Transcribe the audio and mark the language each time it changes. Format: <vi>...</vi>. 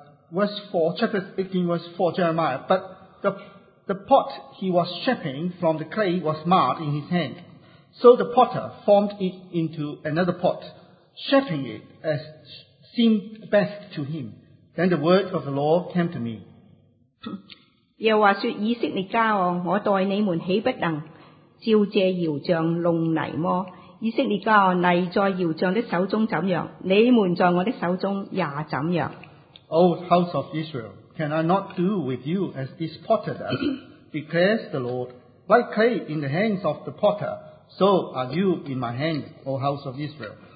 <en>verse 4, chapter 18, verse 4, Jeremiah, but the pot he was shaping from the clay was marred in his hand. So the potter formed it into another pot, shaping it as seemed best to him. Then the word of the Lord came to me.</en> <zh>又话说以色列家哦，我待你们岂不能照这窑匠弄泥么？以色列家哦，泥在窑匠的手中怎样，你们在我的手中也怎样。</zh> <en>O house of Israel, can I not do with you as this potter does? declares the Lord. Like clay in the hands of the potter, so are you in my hand, O house of Israel.</en>